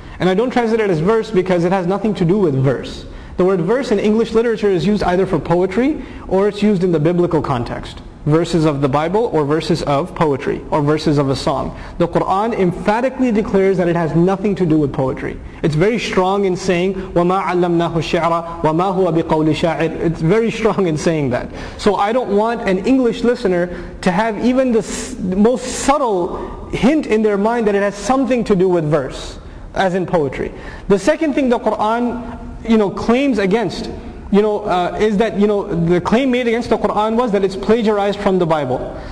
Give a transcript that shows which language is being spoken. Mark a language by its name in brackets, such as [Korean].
[English] And I don't translate it as verse because it has nothing to do with verse. The word verse in English literature is used either for poetry or it's used in the biblical context. Verses of the Bible or verses of poetry or verses of a song. The Qur'an emphatically declares that it has nothing to do with poetry. It's very strong in saying, [Arabic] وَمَا عَلَّمْنَاهُ الشِّعْرَ وَمَا هُوَ بِقَوْلِ شَاعِرٍ. [English] It's very strong in saying that. So I don't want an English listener to have even the most subtle hint in their mind that it has something to do with verse, as in poetry. The second thing the Qur'an, you know, claims against, you know, is that, you know, the claim made against the Qur'an was that it's plagiarized from the Bible.